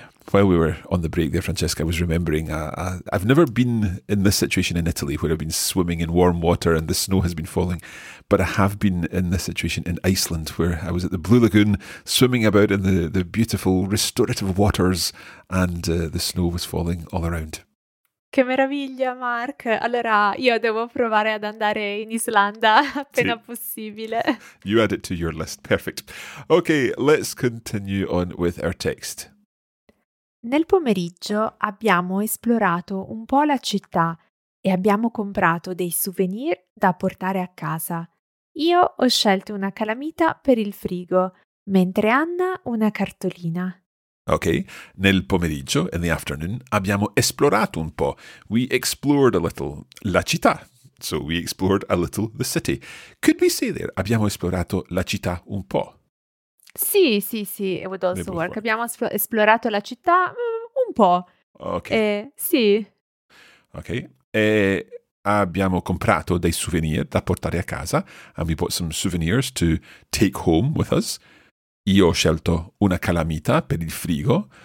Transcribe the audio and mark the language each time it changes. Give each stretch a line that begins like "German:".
English: While we were on the break there, Francesca, I was remembering, I've never been in this situation in Italy where I've been swimming in warm water and the snow has been falling, but I have been in this situation in Iceland where I was at the Blue Lagoon swimming about in the beautiful restorative waters and the snow was falling all around.
Italian: Che meraviglia, Mark! Allora, io devo provare ad andare in Islanda appena sì. Possibile.
English: You add it to your list, perfect. Okay, let's continue on with our text.
Italian: Nel pomeriggio abbiamo esplorato un po' la città e abbiamo comprato dei souvenir da portare a casa. Io ho scelto una calamita per il frigo, mentre Anna una cartolina. Ok, nel pomeriggio,
English: in the afternoon,
Italian: abbiamo esplorato un po'.
English: We explored a little
Italian: la città.
English: So we explored a little the city. Could we say there,
Italian: abbiamo esplorato la città un po'? Sì, sì, sì,
English: it would also work.
Italian: Abbiamo esplorato la città un po'. Ok. Sì. Ok. Abbiamo comprato dei souvenir da portare a casa.
English: And we bought some souvenirs to take home with us.
Italian: Io ho scelto una calamita per il frigo.